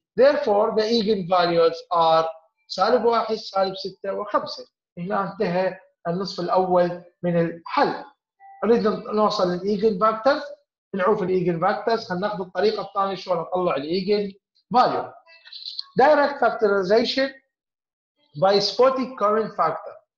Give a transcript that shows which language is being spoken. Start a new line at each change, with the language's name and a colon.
English: Therefore the eigen values are
Arabic: سالب 1 سالب 6 و5. هنا انتهى النصف الاول من الحل. نريد نوصل للايجن فاكتورز نعوف الايجن فاكتورز خلينا ناخذ الطريقه الثانيه شلون اطلع الايجن فاليو.
English: Direct factorization by spotting current factor.